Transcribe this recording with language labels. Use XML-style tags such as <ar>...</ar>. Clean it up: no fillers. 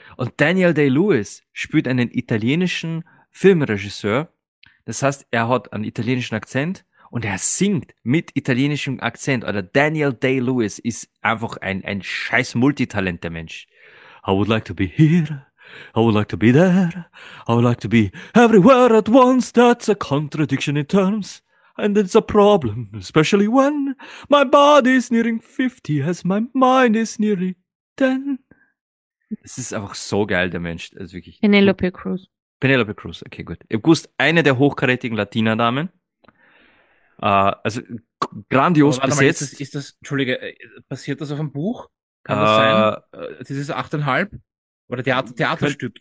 <de>Und Daniel Day-Lewis spielt einen italienischen Filmregisseur, das heißt, er hat einen italienischen Akzent und er singt mit italienischem Akzent. Oder Daniel Day-Lewis ist einfach ein scheiß Multitalent, der Mensch.</de> <en>I would like to be here. I would like to be there. I would like to be everywhere at once. That's a contradiction in terms. And it's a problem, especially when my body is nearing 50 as my mind is nearly 10.</en> <de>Es ist einfach so geil, der Mensch. Also wirklich tut. Penelope Cruz. Penelope Cruz, okay, gut. Ihr wusst, eine der hochkarätigen Latina-Damen. Also grandios Aber warte mal, besetzt. ist das, entschuldige, basiert das auf einem Buch? Kann das sein? Dieses 8,5? Oder Theaterstück?</de>